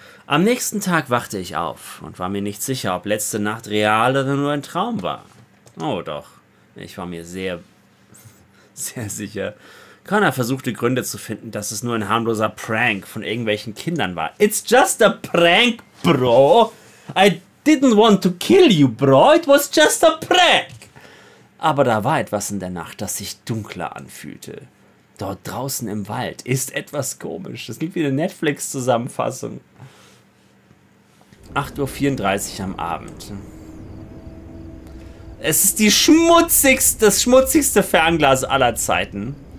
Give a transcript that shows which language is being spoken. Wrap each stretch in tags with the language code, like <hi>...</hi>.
<de>Am nächsten Tag wachte ich auf und war mir nicht sicher, ob letzte Nacht real oder nur ein Traum war. Oh doch, ich war mir sehr, sehr sicher. Connor versuchte Gründe zu finden, dass es nur ein harmloser Prank von irgendwelchen Kindern war.</de> <en>It's just a prank, bro. I didn't want to kill you, bro. It was just a prank.</en> <de>Aber da war etwas in der Nacht, das sich dunkler anfühlte. Dort draußen im Wald ist etwas komisch. Das klingt wie eine Netflix-Zusammenfassung. 8.34 Uhr am Abend. Es ist das schmutzigste Fernglas aller Zeiten.</de>